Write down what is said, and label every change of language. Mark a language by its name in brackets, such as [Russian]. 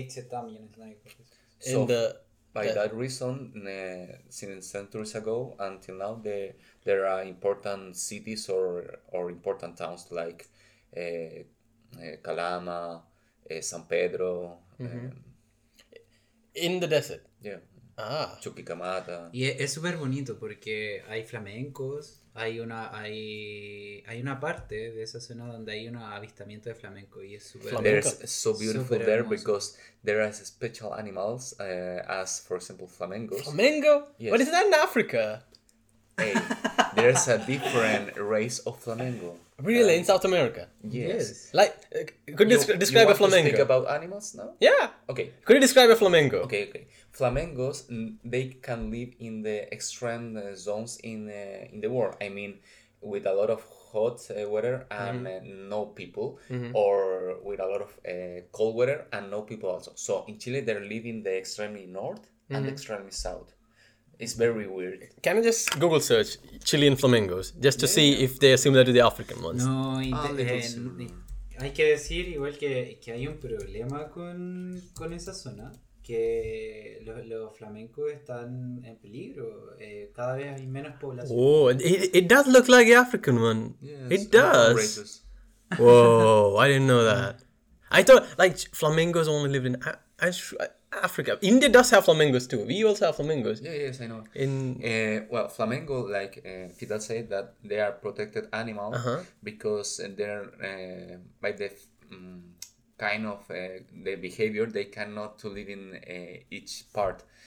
[English] That reason, since centuries ago until now, there are important cities or important towns like Calama, San Pedro. In the desert? Yeah. Ah. Chuquicamata. [Spanish] Y es súper bonito porque hay flamencos, hay una parte de esa zona donde hay un avistamiento de flamenco y es súper [English] bonito. It's so beautiful there because there are special animals as, for example, flamencos. Flamengo? Yes. What is that in Africa? Hey, there's a different race of flamenco. Really? In South America? Yes. Like, could you describe you a flamenco? You speak about animals now? Yeah. Okay. Could you describe a flamenco? Okay. Flamencos, they can live in the extreme zones in the world. I mean, with a lot of hot weather and no people, or with a lot of cold weather and no people also. So in Chile, they're living the extremely north and the extremely south. It's very weird. Can I just Google search Chilean flamingos just to see if they are similar to the African ones? [Spanish] No, hay que decir igual que hay un problema con esa zona, que los flamencos están en peligro. Cada vez hay menos población. [English] Oh, it does look like the African one. Yes, it does. Whoa, I didn't know that. I thought like flamingos only live in Africa. India does have flamingos too. We also have flamingos. Yes, I know. In well, flamingo, like Fidel said, that they are protected animal because they're by the kind of the behavior they cannot to live in each part.